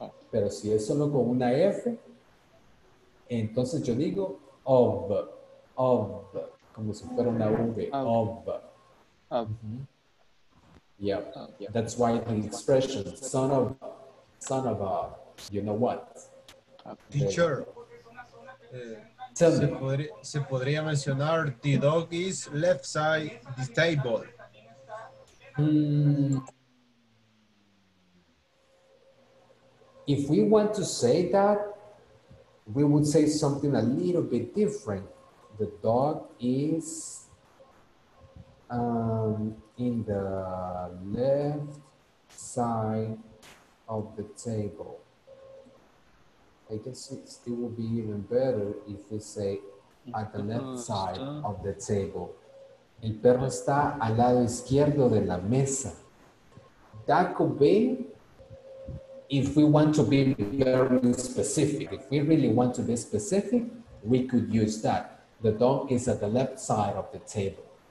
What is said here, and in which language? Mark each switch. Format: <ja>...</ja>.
<es>Pero si es solo con una F, entonces yo digo of, como si fuera una V, of. Mm-hmm.</es> <en>Yeah, that's why the expression son of a, you know what? Teacher, tell me.</en> <es>Se podría mencionar</es> <en>the dog is left side the table. If we want to say that, we would say something a little bit different. The dog is in the left side of the table. I guess it still would be even better if we say at the left side of the table.</en> <es>El perro está al lado izquierdo de la mesa.</es> <en>That could be, if we want to be very specific, if we really want to be specific, we could use that. The dog is at the left side of the table.</en>